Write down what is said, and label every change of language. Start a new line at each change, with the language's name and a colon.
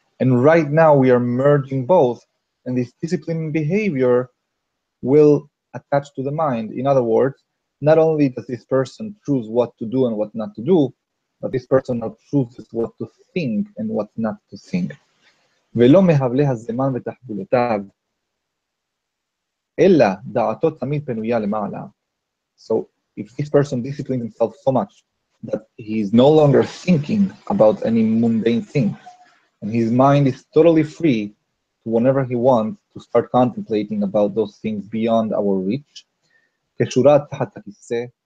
English: And right now we are merging both, and this discipline and behavior will attach to the mind. In other words, not only does this person choose what to do and what not to do, but this person now chooses what to think and what not to think.
Hebrew: ולא מהבלי הזמן ותחבולותיו, אלא דעתו תמיד פנויה למעלה.
English: So if this person disciplines himself so much that he is no longer thinking about any mundane thing, and his mind is totally free to whenever he wants to start contemplating about those things beyond our reach, this